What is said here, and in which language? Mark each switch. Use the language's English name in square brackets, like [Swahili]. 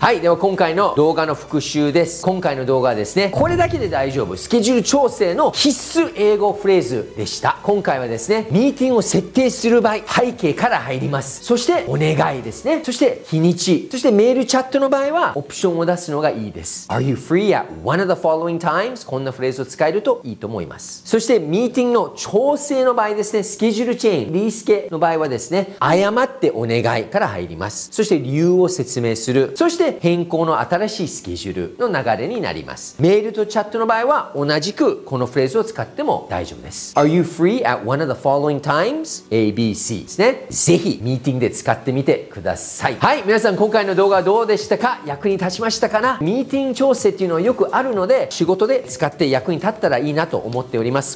[Japanese] はい、では今回の動画の復習です。今回の動画はですね、これだけで大丈夫、スケジュール調整の必須英語フレーズでした。今回はですね、ミーティングを設定する場合、背景から入ります。そしてお願いですね。そして日にち、そしてメールチャットの場合はオプションを出すのがいいです。 [English] Are you free at one of the following times? [Japanese] こんなフレーズを使えるといいと思います。そしてミーティングの調整の場合ですね、スケジュールチェーン、リスケの場合はですね、謝ってお願いから入ります。そして理由を説明する、そして変更の新しいスケジュールの流れになります。メールとチャットの場合は同じくこのフレーズを使っても大丈夫です。 [English] Are you free at one of the following times? [Japanese] ABC ですね。ぜひミーティングで使ってみてください。はい、皆さん今回の動画はどうでしたか？役に立ちましたかな？ミーティング調整っていうのはよくあるので、仕事で使って役に立ったらいいなと思っております。